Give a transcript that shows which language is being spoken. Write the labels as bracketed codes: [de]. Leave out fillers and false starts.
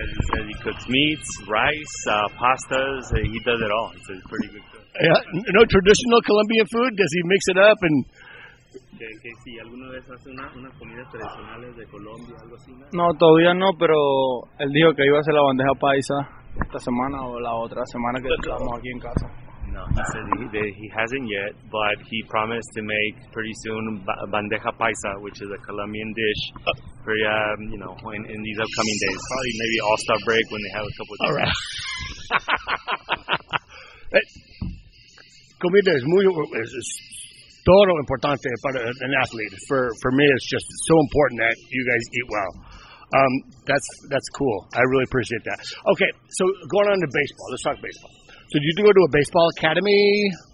[en] He says he cooks meats, rice, pastas. He does it all. He's a pretty good cook. Yeah, no traditional Colombian food? Does he mix it up and? [es] Sí, alguna vez hace unas comidas tradicionales de Colombia, algo así. No, todavía no. Pero él dijo que iba a hacer la bandeja paisa esta semana o la otra semana que estamos aquí en casa. [en] No, he said he hasn't yet, but he promised to make pretty soon bandeja paisa, which is a Colombian dish, for in these upcoming days, probably maybe All-Star break when they have a couple of days. All right. [es] Comida es muy todo importante para [en] an athlete. For me, it's just so important that you guys eat well. That's cool. I really appreciate that. Okay, so going on to baseball. Let's talk baseball. So did you go to a baseball academy?